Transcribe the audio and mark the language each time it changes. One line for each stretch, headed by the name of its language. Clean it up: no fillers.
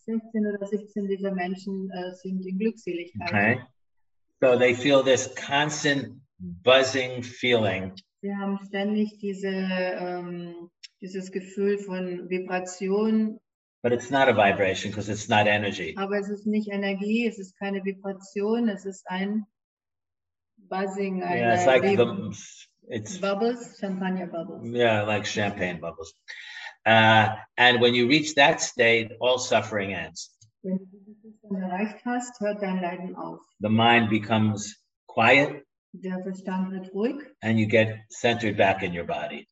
German: 16 oder 17 dieser Menschen sind in Glückseligkeit.
English: Okay. So they feel this constant buzzing feeling.
German: Sie haben ständig diese dieses Gefühl von Vibration.
English: But it's not a vibration because it's not energy.
German: Aber es ist nicht Energie, es ist keine Vibration, es ist ein buzzing.
English: Yeah, it's like the it's bubbles, champagne bubbles. Yeah, like champagne bubbles. And when you reach that state, all suffering ends.
German: Wenn du das erreicht hast, hört dein Leiden auf.
English: The mind becomes quiet.
German: Der Verstand wird ruhig.
English: And you get centered back in your body.